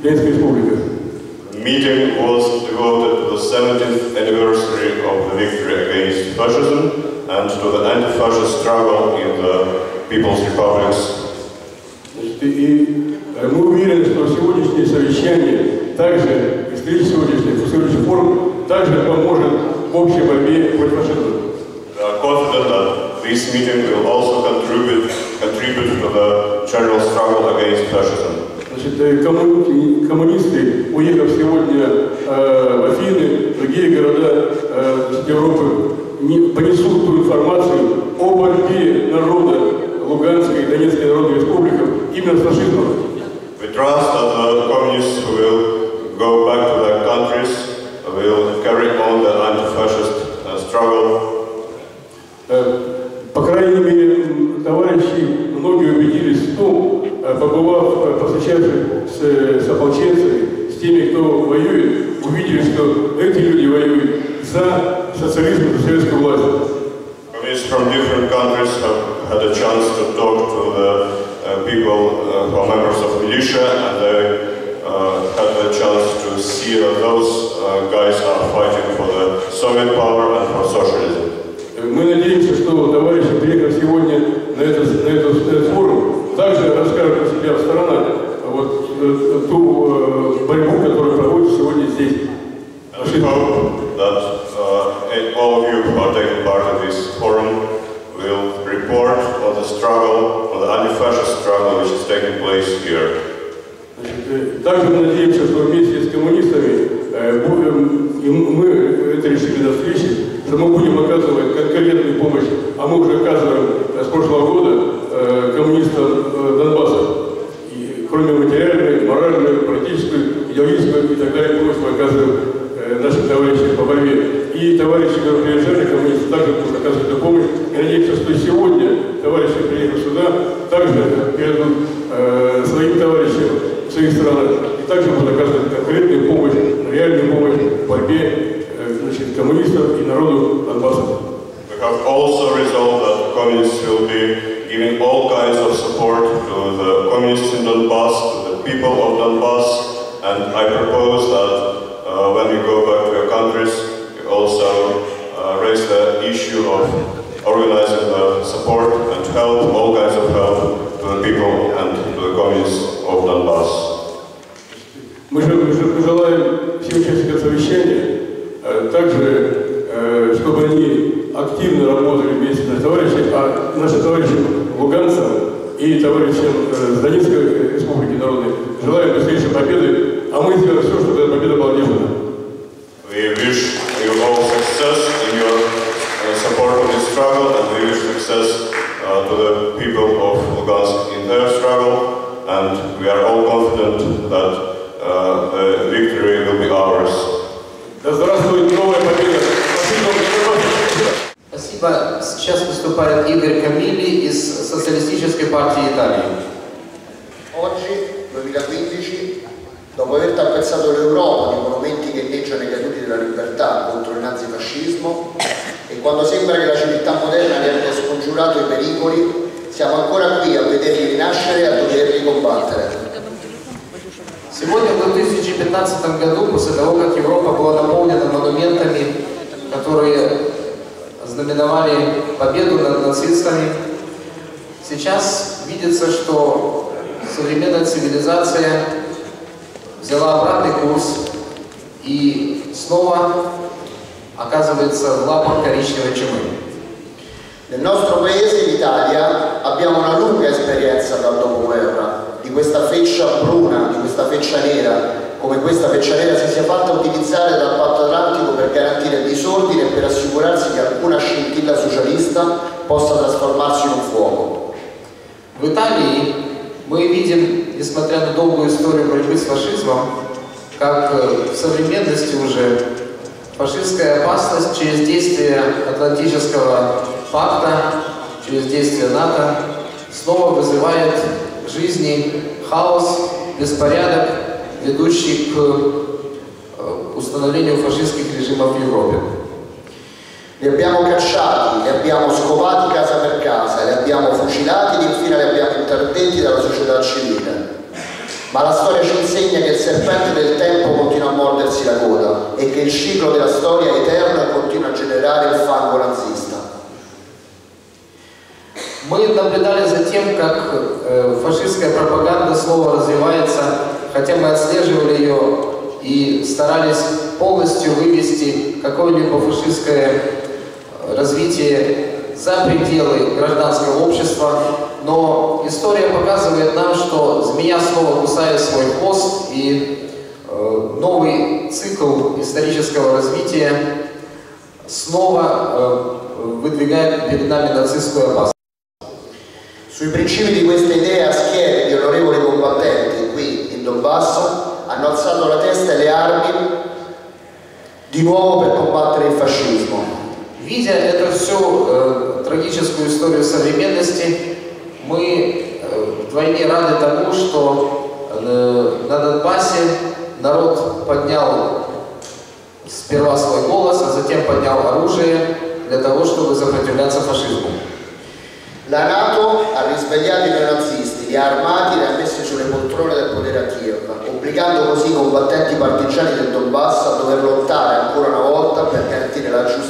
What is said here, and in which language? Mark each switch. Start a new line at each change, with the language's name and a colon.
English: The meeting was devoted to the 70th anniversary of the victory against fascism and to the anti-fascist struggle in the People's Republics.
Russian: Мы уверены, что сегодняшнее совещание, также и сегодняшний форум, также поможет в общей борьбе против фашизма.
English: We are confident that this meeting will also contribute to the general struggle against fascism.
Russian: Значит, коммунисты, уехав сегодня в Афины, в другие города Европы, понесут ту информацию о борьбе народа Луганской и Донецкой Народной Республики именно с фашизмом.
English: We trust that the communists who will go back to their countries will carry on the anti-fascist struggle.
Russian: По крайней мере, товарищи, многие убедились в том, побывав, посвящавшись с ополченцами, с теми, кто воюет, увидели, что эти люди воюют за социализм, за советскую власть.
English: Communists from different countries have had a chance to talk to the people who are members of militia, and they had the chance to see that those guys are fighting for the Soviet power and for socialism.
Russian: Мы надеемся, что товарищи, приехав сегодня на этот форум, также расскажут о себе в сторонах вот ту борьбу, которая проводится сегодня здесь.
English: And we hope that all of you who are taking part in this forum will report on the struggle, on the anti-fascist struggle, which is taking place here.
Russian: Также мы надеемся, что вместе с коммунистами будем, мы это решили на встрече, что мы будем оказывать конкретную помощь, а мы уже оказываем с прошлого года коммунистам Донбасса. И кроме материальной, моральной, практической, идеологической и так далее, помощь мы оказываем нашим товарищам по борьбе. И товарищи, которые приезжали, коммунисты также будут оказывать эту помощь. И надеемся, что сегодня товарищи, приехав сюда, также передадут своим товарищам в своих странах, и также будут оказывать конкретную помощь, реальную помощь в борьбе значит, коммунистов и народу Донбасса.
English: We have also resolved that communists will be giving all kinds of support to the communists in Donbass, to the people of Donbass, and I propose that when you go back to your countries, you also raise the issue of organizing the support and help, all kinds of help to the people and to the communists.
Russian: Мы же пожелаем всем участникам совещания также, чтобы они активно работали вместе с товарищами, а нашим товарищам луганцам и товарищам Донецкой Республики Народной желаем быстрейшей победы, а мы сделаем все, чтобы эта победа была одержана.
English: We wish you all success in your support of this struggle, and we wish success to the people of Lugansk in their struggle. And we are all confident that the victory will be ours.
Russian: Да здравствует новая победа! Спасибо. Сейчас выступает Игорь Камилли из Социалистической партии Италии.
Italian: Oggi, 2015, dopo aver tappezzato l'Europa di monumenti che inneggiano i caduti della libertà contro il nazifascismo, e quando sembra che la civiltà moderna abbia scongiurato i pericoli, siamo ancora qui a vederli rinascere e a doverli combattere.
Russian: Сегодня, в 2015 году, после того, как Европа была наполнена монументами, которые знаменовали победу над нацистами, сейчас видится, что современная цивилизация взяла обратный курс и снова оказывается в лапах коричневой чумы.
Italian: Nel nostro paese, l'Italia, abbiamo una lunga esperienza dal dopoguerra, di questa feccia bruna, di questa feccia nera, come questa feccia nera si sia fatta utilizzare dal Patto Atlantico per garantire il disordine e per assicurarsi che alcuna scintilla socialista possa trasformarsi in un fuoco.
Russian: В Италии мы видим, несмотря на долгую историю борьбы с фашизмом, как в современности уже фашистская опасность через действия Атлантического факта, через действия НАТО, снова вызывает в жизни хаос, беспорядок, ведущий к установлению фашистских режимов в Европе.
Italian: Li abbiamo cacciati, li abbiamo scovati casa per casa, li abbiamo fucilati, infine li abbiamo interdetti dalla società civile. Ma la storia ci insegna che il serpente del tempo continua a mordersi la coda e che il ciclo della storia eterna continua a generare il fango nazista.
Russian: Мы наблюдали за тем, как фашистская пропаганда снова развивается, хотя мы отслеживали ее и старались полностью вывести какое-либо фашистское развитие за пределы гражданского общества, но история показывает нам, что змея снова кусает свой хвост, и новый цикл исторического развития снова выдвигает перед нами нацистскую опасность.
Italian: Sui principi di questa idea schiere di onorevoli combattenti qui in Donbass hanno alzato la testa e le armi di nuovo per combattere il fascismo.
Russian: Видя эту всю трагическую историю современности, мы вдвойне рады тому, что на Донбассе народ поднял сперва свой голос, а затем поднял оружие для того, чтобы сопротивляться фашизму.
Italian: La NATO ha risvegliato i neonazisti, li ha armati e li ha messi sulle poltrone del potere a Kiev, obbligando così i combattenti partigiani del Donbass a dover lottare ancora una volta per garantire la